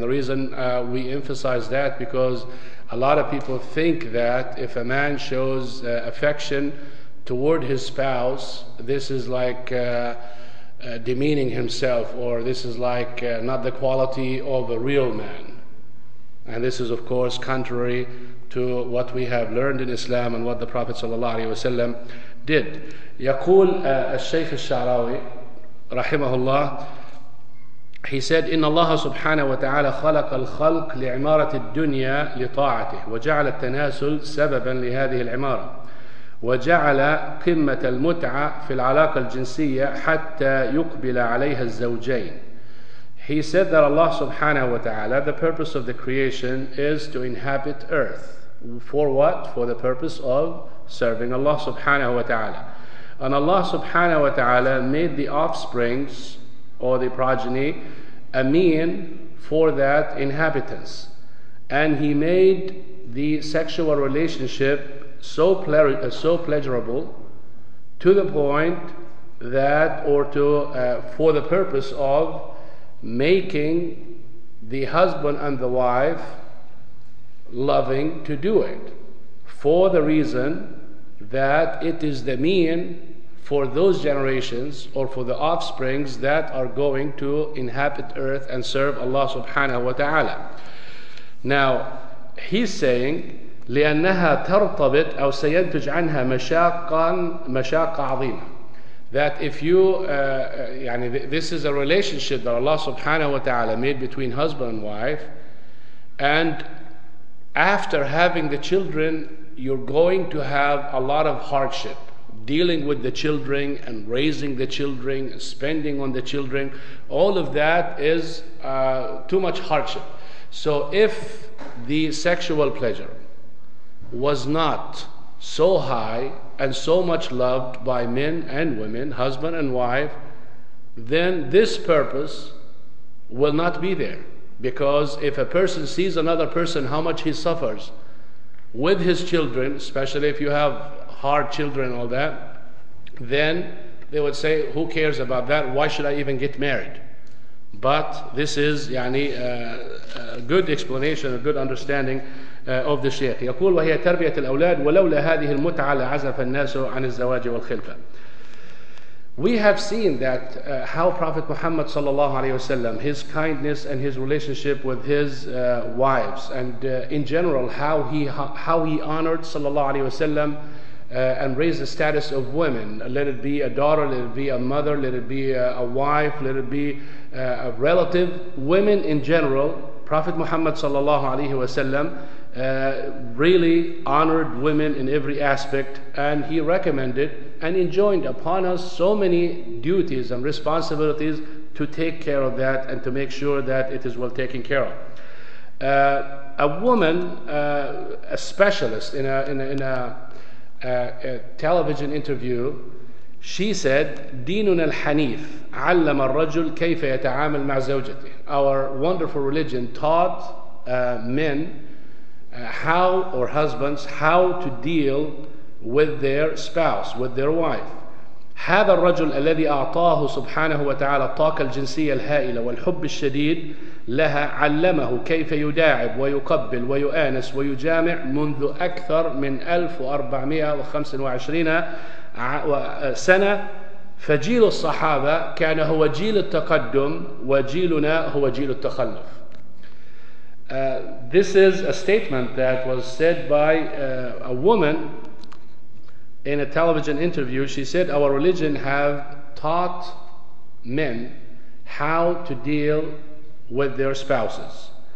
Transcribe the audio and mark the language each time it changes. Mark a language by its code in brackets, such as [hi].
[en] And the reason we emphasize that, because a lot of people think that if a man shows affection toward his spouse, this is like demeaning himself, or this is like not the quality of a real man. And this is, of course, contrary to what we have learned in Islam and what the Prophet ﷺ did. [ar] يقول الشيخ الشعراوي رحمه الله, [en] he said, [ar] إن الله سبحانه وتعالى خلق الخلق لعمارة الدنيا لطاعته وجعل التناسل سببا لهذه العمارة وجعل قمة المتعة في العلاقة الجنسية حتى يقبل عليها الزوجين. [en] He said that Allah subhanahu wa ta'ala, the purpose of the creation is to inhabit earth. For what? For the purpose of serving Allah subhanahu wa ta'ala. And Allah subhanahu wa ta'ala made the offsprings or the progeny a mean for that inhabitants. And He made the sexual relationship so pleasurable to the point that, for the purpose of making the husband and the wife loving to do it, for the reason that it is the mean for those generations or for the offsprings that are going to inhabit earth and serve Allah subhanahu wa ta'ala. Now, he's saying, [ar] لِأَنَّهَا تَرْتَبِتْ أَوْ سَيَنْتُجْ عَنْهَا مَشَاقَ عَظِيمًا. [en] That if you, this is a relationship that Allah subhanahu wa ta'ala made between husband and wife, and after having the children, you're going to have a lot of hardship dealing with the children and raising the children, spending on the children. All of that is too much hardship. So if the sexual pleasure was not so high and so much loved by men and women, husband and wife, then this purpose will not be there. Because if a person sees another person, how much he suffers with his children, especially if you have hard children and all that, then they would say, who cares about that? Why should I even get married? But this is a good explanation, a good understanding of the Shaykh. [ar] يقول وهي تربية الأولاد ولولا هذه المتعة لعزف الناس عن الزواج والخلفة. [en] We have seen that how Prophet Muhammad sallallahu alaihi wasallam, his kindness and his relationship with his wives, and in general how he honored sallallahu alaihi wasallam and raised the status of women. Let it be a daughter, let it be a mother, let it be a wife, let it be a relative. Women in general, Prophet Muhammad sallallahu alaihi wasallam really honored women in every aspect, and he recommended and enjoined upon us so many duties and responsibilities to take care of that and to make sure that it is well taken care of. A woman, a specialist in a television interview, she said, [ar] "Dinun al-Hanif 'allama ar-rajul kayfa yata'amal ma' zawjatih." [en] Our wonderful religion taught men how to deal with their spouse, with their wife. [ar] هذا الرجل الذي أعطاه سبحانه وتعالى الطاقة الجنسية الهائلة والحب الشديد لها علمه كيف يداعب ويقبل ويؤانس ويجامع منذ أكثر من 1425 سنة. فجيل الصحابة كان هو جيل التقدم وجيلنا هو جيل التخلف. [en] This is a statement that was said by a woman in a television interview. She said, "Our religion have taught men how to deal with their spouses."